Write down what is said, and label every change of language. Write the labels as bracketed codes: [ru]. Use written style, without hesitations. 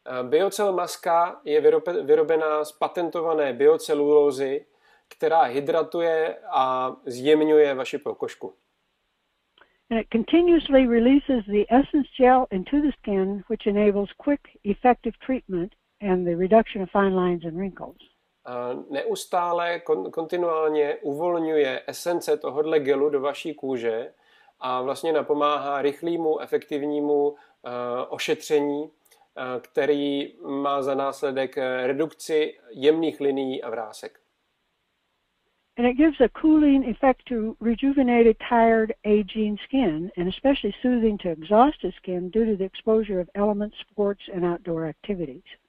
[cs] Biocell maska je vyrobená z patentované biocelulózy, která hydratuje a zjemňuje vaši pokožku. [en] And it continuously releases the essence gel into the skin, which enables quick, effective treatment and the reduction of fine lines and wrinkles. [cs] Neustále, kontinuálně uvolňuje esence tohodle gelu do vaší kůže a vlastně napomáhá rychlému, efektivnímu ošetření, který má za následek redukci jemných linií a vrásek. [en] And it gives a cooling effect to rejuvenated, tired, aging skin, and especially soothing to exhausted skin due to the exposure of elements, sports, and outdoor activities.